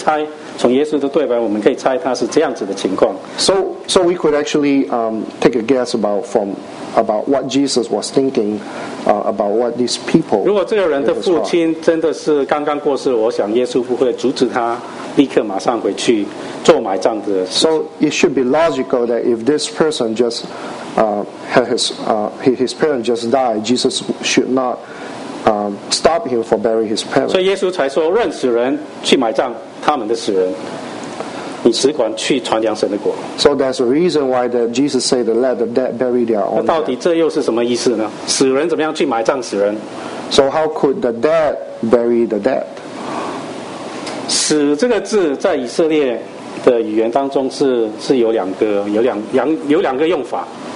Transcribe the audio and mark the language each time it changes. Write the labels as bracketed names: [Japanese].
[Chinese] 所以耶稣他知道这个人在想什么，我们不知道，我们可以猜，从耶稣的对白我们可以猜他是这样子的情况。 [English] So we could actually take a guess about what Jesus was thinking about what these people. [Chinese] 如果这个人的父亲真的是刚刚过世，我想耶稣不会阻止他。 [English] So it should be logical that if this person just had his parents just died, Jesus should not stop him for burying his parents. [Chinese] 所以耶稣才说，认死人去埋葬他们的死人。你只管去传扬神的国。 [English] So that's the reason why the Jesus said, let the dead bury their own dead. [Chinese] 那到底这又是什么意思呢? 死人怎么样去埋葬死人? [English] So how could the dead bury the dead? [Chinese] 死这个字在以色列的语言当中是有两个用法。